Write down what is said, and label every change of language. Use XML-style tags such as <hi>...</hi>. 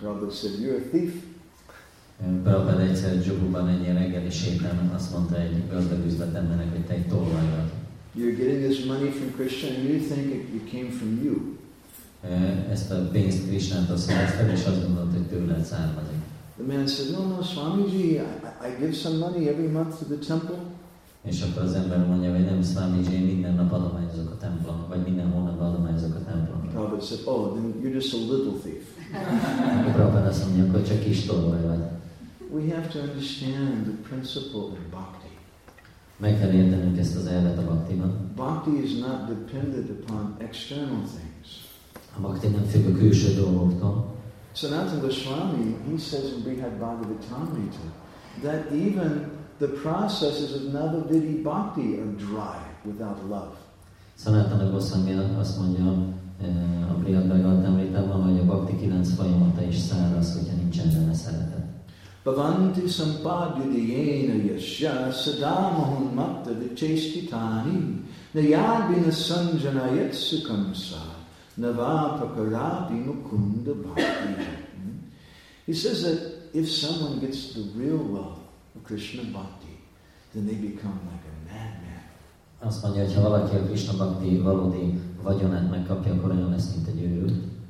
<en>Prabhupada said, you're a thief.</en> <hu>Prabhupada egyszer Juhu-ban egy ilyen reggeli sétán azt mondta egy gazdag üzletembernek, hogy te egy tolvaj vagy.</hu> <en>You're getting this money from Krishna and you think it came from you.</en> <hu>Ezt a pénzt Krishnától szereztem, és azt gondolt, hogy tőled származik.</hu> <en>The man said, no, Swamiji, I give some money every month to the temple.</en> <hu>És akkor az ember mondja, hogy nem, Swamiji, én minden nap adományozok a templom, vagy minden hónapban adományozok a templom.</hu> <en>Prabhupada said, oh, then you're just a little thief.</en> <hu>Prabhupada azt mondja, akkor csak kis tolvaj vagy.</hu> <en>We have to understand the principle of bhakti.</en> <hu>Meg kell értenünk ezt az elvet a bhaktiban.</hu> <en>Bhakti is not dependent upon external things.</en> <hu>A bhakti nem függ a külső dolgoktól.</hu> <en>Sanatana Goswami, he says in Brihad Bhagavatamrita, that even the processes of Navavidhi bhakti are dry without love.</en> <hu>Sanatana Goswami azt mondja a Brihad Bhagavatamritában, hogy a bhakti 9 folyamata is száraz, hogyha nincsen benne szeretet.</hu> <sa>Bhavanti sampadyudhyena yasya sadamahun matta vichestitani nayadvina sanjana yatsukamsa navapakarabhi mukunda bhakti.</sa> <en>He says that if someone gets the real love of Krishna bhakti, then they become like a madman.</en> <hu>Azt mondja, hogy ha valaki a Krishna bhakti valódi vagyonát megkapja, akkor olyan lesz, mint egy őrült.</hu>